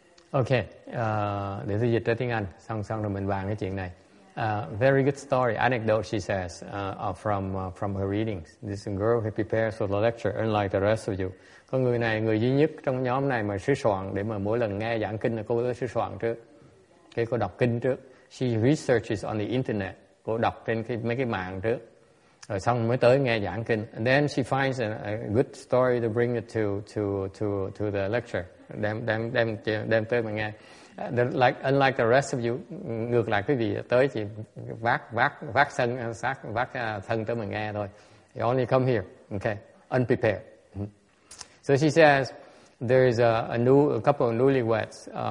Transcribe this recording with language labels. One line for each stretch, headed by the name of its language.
Vietnamese: Okay, để tôi dịch ra tiếng Anh, xong rồi mình bàn cái chuyện này.
English: Very good story, anecdote, she says, from her readings. This girl who prepares for the lecture, unlike the rest of you.
Vietnamese: Có người này, người duy nhất trong nhóm này mà sửa soạn, để mà mỗi lần nghe giảng kinh là cô có sửa soạn trước. Cái cô đọc kinh trước.
English: She researches on the internet.
Vietnamese: Cô đọc trên mấy cái mạng trước. Rồi xong mới tới nghe giảng kinh.
English: And then she finds a good story to bring it to the lecture.
Vietnamese: Đem tới mà nghe.
English: Unlike the rest of you,
Vietnamese: ngược lại quý vị tới chỉ vác sân xác vác thân tới mà nghe thôi.
English: You only come here, okay? Unprepared. So she says there is a couple of newlyweds.